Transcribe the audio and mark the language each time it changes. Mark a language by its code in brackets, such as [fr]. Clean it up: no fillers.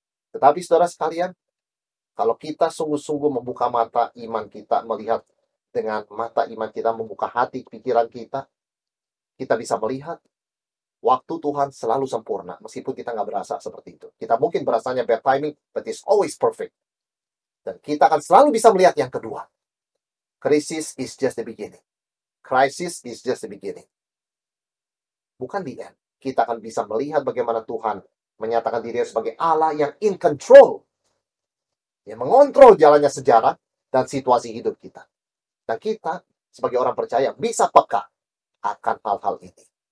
[id] Tetapi saudara sekalian, kalau kita sungguh-sungguh membuka mata iman kita, melihat dengan mata iman kita, membuka hati, pikiran kita, kita bisa melihat waktu Tuhan selalu sempurna, meskipun kita nggak berasa seperti itu. Kita mungkin berasanya [en] bad timing, but it's always perfect. [id] Dan kita akan selalu bisa melihat yang kedua. [en] Crisis is just the beginning. Crisis is just the beginning. Bukan the end. [id] Kita akan bisa melihat bagaimana Tuhan menyatakan diri sebagai Allah yang [en] in control, [id] yang mengontrol jalannya sejarah dan situasi hidup kita. Dan kita sebagai orang percaya bisa peka akan hal-hal ini.